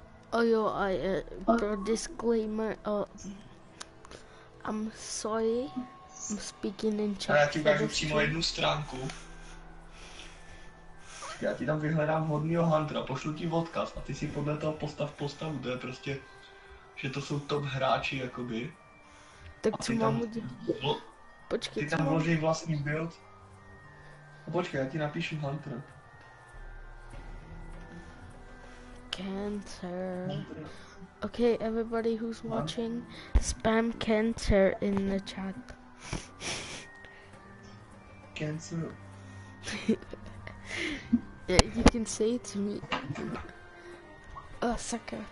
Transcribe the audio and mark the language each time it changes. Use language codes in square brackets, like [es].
[cs] Oh jo, a pro [en] disclaimer, I'm sorry, I'm speaking in chat. [cs] A já ti ukážu přímo jednu stránku. Já ti tam vyhledám hodnýho huntera, pošlu ti odkaz a ty si podle toho postav postavu, to je prostě, že to jsou top hráči, jakoby. Tak a co mám udělat? Počkej, ty tam vloží vlastní build. A počkej, já ti napíšu hunter. [en] Cancer. Okay, everybody who's watching, spam cancer in the chat. Cancer. Yeah, you can say it to me. Oh, sucker.